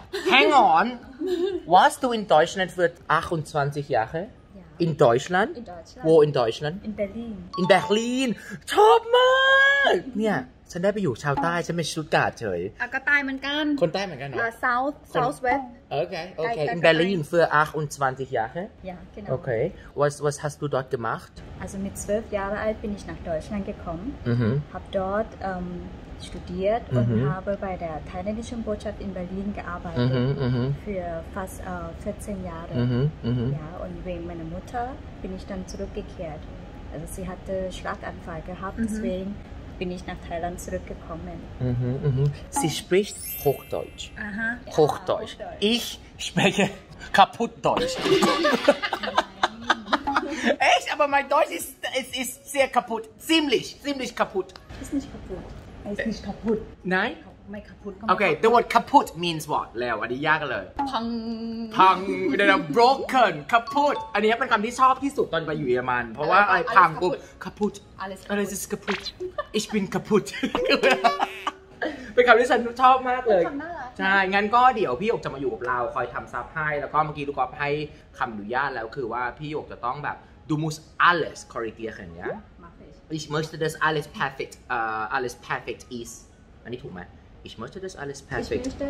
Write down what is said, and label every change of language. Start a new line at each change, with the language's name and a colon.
German: แฮงออน Warst du in Deutschland für 28 Jahre in Deutschland Wo in Deutschland In Berlin
Thai: In Berlin ชอบมากเนี่ยฉันได้ไปอยู่ชาวใต้ฉันเป็นชุดกาดเฉย ก็ใต้เหมือนกัน คนใต้เหมือนกันเหรอ
English: South West
German: Okay in Berlin für 28 Jahre Ja genau Okay was hast du dort gemacht Also mit 12 Jahre alt bin ich nach Deutschland gekommen habe dort studiert und habe bei der thailändischen Botschaft in Berlin gearbeitet für fast 14 Jahre Ja und wegen meiner Mutter bin ich dann zurückgekehrt also sie hatte Schlaganfall gehabt deswegenBin ich nach Thailand zurückgekommen. Sie spricht Hochdeutsch. Aha. Hochdeutsch. Ich spreche Kaputtdeutsch. Echt? Aber mein Deutsch ist sehr kaputt. Ziemlich kaputt. Ist nicht kaputt. Nein?
Thai: ไม่ค า พุตโอเค
English: the word
Thai: คาพุต
English: means what
Thai: แล้วอันนี้ยากเลย พัง เดี๋ยวนะ
English: broken
Thai: คาพุตอันนี้เป็นคำที่ชอบที่สุดตอนไปอยู่เยอรมันเพราะว่าไอ้พังปุ๊บคาพุต อ ะไรสิคาพุต
German: ich bin kaputt
Thai: เป็นคำที่ฉันชอบมากเลยใช่งั้นก็เดี๋ยวพี่หยกจะมาอยู่กับเราคอยทำซับให้แล้วก็เมื่อกี้ลูกก๊อฟให้คำอนุญาตแล้วคือว่าพี่หยกจะต้องแบบ
German: du musst alles korrigieren ja ich möchte das alles perfect is
Thai: อันนี้ถูกไหม
German: Ich möchte, dass alles perfekt